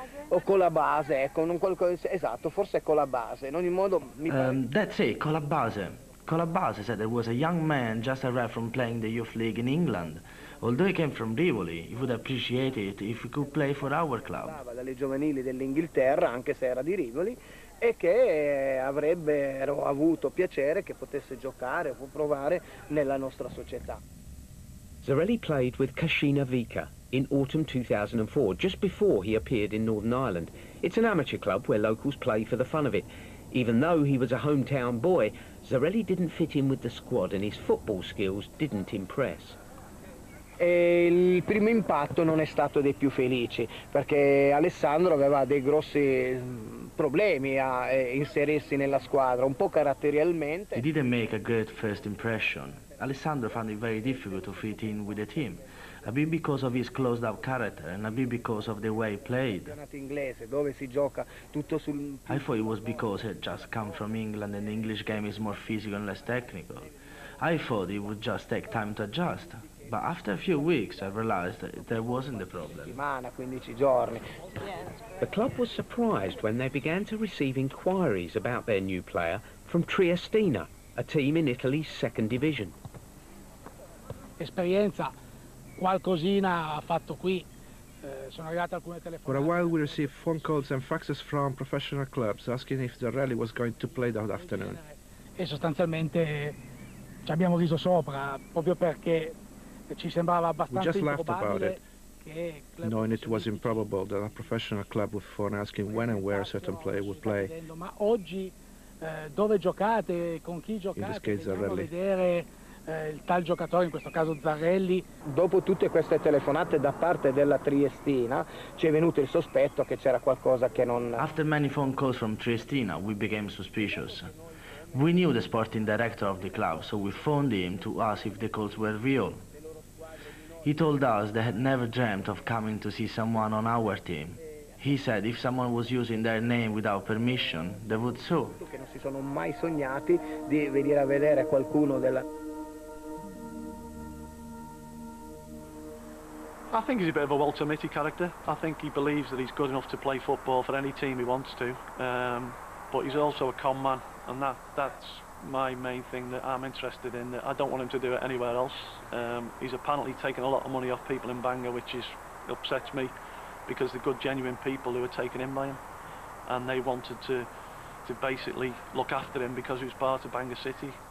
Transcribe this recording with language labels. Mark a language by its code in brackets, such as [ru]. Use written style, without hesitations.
[it] O con la base, ecco, non qualcosa, esatto, forse con la base, in ogni modo mi pare. [en] That's it, [it] con la base. Con la base [en] said there was a young man just arrived from playing the youth league in England. Although he came from Rivoli, he would appreciate it if he could play for our club. [it] Parlava dalle giovanili dell'Inghilterra, anche se era di Rivoli, e che avrebbero avuto piacere che potesse giocare o provare nella nostra società. [en] Zorelli played with Cascina Vica in autumn 2004, just before he appeared in Northern Ireland. It's an amateur club where locals play for the fun of it. Even though he was a hometown boy, Zorelli didn't fit in with the squad and his football skills didn't impress. [it] Il primo impatto non è stato dei più felici, perché Alessandro aveva dei grossi problemi a inserirsi nella squadra, un po' caratterialmente. [en] He didn't make a great first impression. Alessandro found it very difficult to fit in with the team. A bit because of his closed-up character and a bit because of the way he played. I thought it was because he had just come from England and the English game is more physical and less technical. I thought it would just take time to adjust. But after a few weeks, I realized that there wasn't the problem. The club was surprised when they began to receive inquiries about their new player from Triestina, a team in Italy's second division. Experience. [it] Qualcosina ha fatto qui. Sono arrivate alcune telefonate. [en] For a while we received phone calls and faxes from professional clubs asking if Zorelli was going to play that afternoon. [it] E sostanzialmente ci abbiamo riso sopra proprio perché ci sembrava abbastanza improbabile. [en] We just laughed about it, knowing it was improbable that a professional club would phone asking when and where a certain player would play. [it] Ma oggi dove giocate, con chi giocate? [en] In this case, Zorelli. [it] Il tal giocatore, in questo caso Zorelli. Dopo tutte queste telefonate da parte della Triestina, ci è venuto il sospetto che c'era qualcosa che non. [en] After many phone calls from Triestina, we became suspicious. We knew the sporting director of the club, so we phoned him to ask if the calls were real. He told us they had never dreamt of coming to see someone on our team. He said if someone was using their name without permission, they would sue. [it] Che non si sono mai sognati di venire a vedere qualcuno della. [en] I think he's a bit of a Walter Mitty character. I think he believes that he's good enough to play football for any team he wants to. But he's also a con man, and that's my main thing that I'm interested in. I don't want him to do it anywhere else. He's apparently taking a lot of money off people in Bangor, which is upsets me, because the good, genuine people who are taken in by him, and they wanted to basically look after him because he was part of Bangor City.